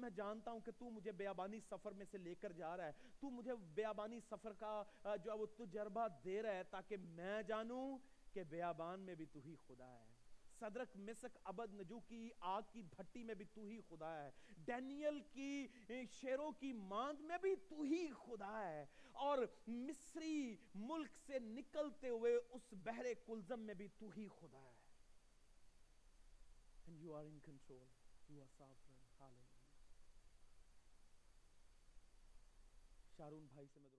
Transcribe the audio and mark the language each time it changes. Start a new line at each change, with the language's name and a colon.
Hindi: मैं जानता हूं कि तू मुझे बेअबानी सफर में से लेकर जा रहा है, तू मुझे बेअबानी सफर का जो है वो तजर्बा दे रहा है, ताकि मैं जानूं कि बेअबान में भी तू ही खुदा है, सदरक मिसक अबद नजू की आग की भट्टी में भी तू ही खुदा है, डैनियल की शेरों की मांद में भी तू ही खुदा है, और मिस्री मुल्क से निकलते हुए उस बहरे कुलजम में भी तू ही खुदा है।
English: And you are in control, you are sovereign.
Hindi: Hallelujah. Sharone भाई से मैं